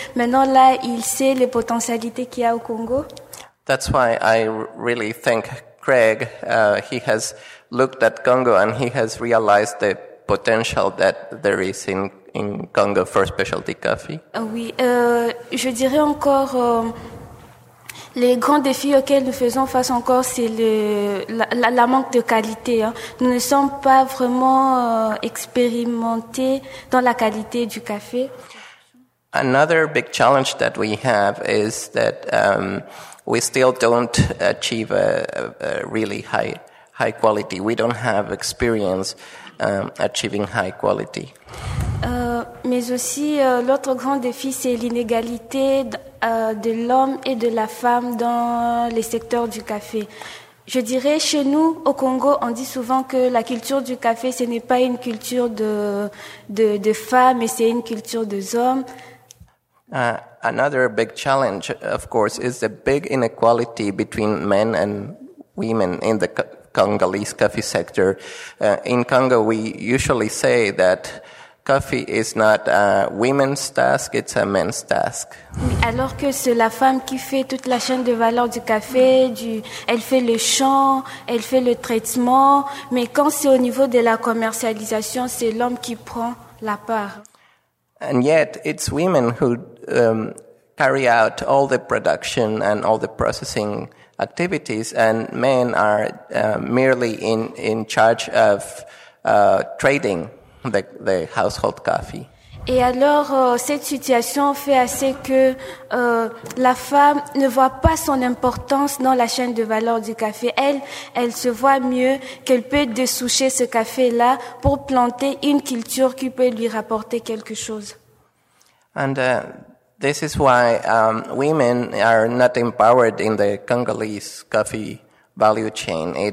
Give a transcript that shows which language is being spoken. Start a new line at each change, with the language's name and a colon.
French: Maintenant, là, il sait les potentialités qu'il y a au Congo.
English: That's why I really thank Greg. He has looked at Congo and he has realized the potential that there is in Congo for specialty coffee.
French: Oui, je dirais encore. Les grands défis auxquels nous faisons face encore, c'est la manque de qualité. Hein. Nous ne sommes pas vraiment expérimentés dans la qualité du café.
English: Another big challenge that we have is that we still don't achieve a really high quality. We don't have experience achieving high quality.
French: Mais aussi, l'autre grand défi, c'est l'inégalité de l'homme et de la femme dans les secteurs du café. Je dirais, chez nous, au Congo, on dit souvent que la culture du café, ce n'est pas une culture de femmes, mais c'est une culture des hommes.
English: Another big challenge, of course, is the big inequality between men and women in the Congolese coffee sector. In Congo, we usually say that coffee is not a women's task, it's a men's task.
French: Alors que c'est la femme qui fait toute la chaîne de valeur du café, elle fait le champ, elle fait le traitement, mais quand c'est au niveau de la commercialisation, c'est l'homme qui prend la part.
English: And yet, it's women who carry out all the production and all the processing activities, and men are merely in charge of trading. The household coffee.
French: Et alors, cette situation fait assez que la femme ne voit pas son importance dans la chaîne de valeur du café. Elle se voit mieux qu'elle peut dessoucher ce café-là pour planter une culture qui peut lui rapporter quelque chose.
English: And this is why women are not empowered in the Congolese coffee value chain.